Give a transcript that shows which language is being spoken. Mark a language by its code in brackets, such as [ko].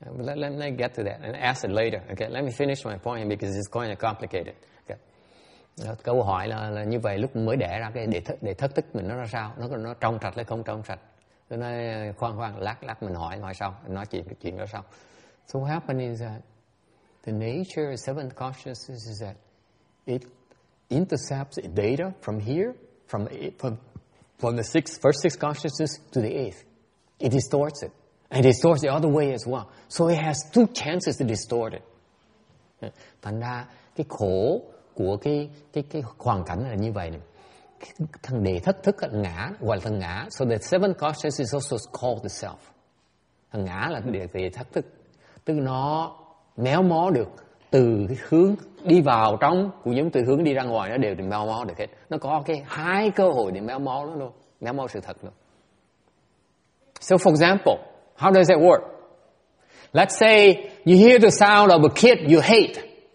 [en] Let me get to that and ask it later. Okay. Let me finish my point because it's kind of complicated. Okay. [vi] Câu hỏi là như vậy, lúc mới đẻ ra cái để thất thức mình nó ra sao? Nó trong sạch hay không trong sạch? Cho nên khoan, lát mình hỏi sau, nói chuyện đó sau. [en] So what happened is that the nature of seventh consciousness is that it intercepts data from here, from the first six consciousness to the eighth. It distorts it. And it distorts the other way as well. So it has two chances to distort it. [vi] Thành ra, cái khổ của cái hoàn cảnh là như vậy này. Thằng đề thất thức là ngã, gọi là thằng ngã. [en] So the seventh consciousness is also called the self. [vi] Thằng ngã là đề thất thức. Tức nó méo mó được từ cái hướng đi vào trong cũng giống từ hướng đi ra ngoài, nó đều méo mó được hết. Nó có cái hai cơ hội để méo mó nó luôn, méo mó sự thật luôn. [en] So for example, how does that work? Let's say you hear the sound of a kid you hate.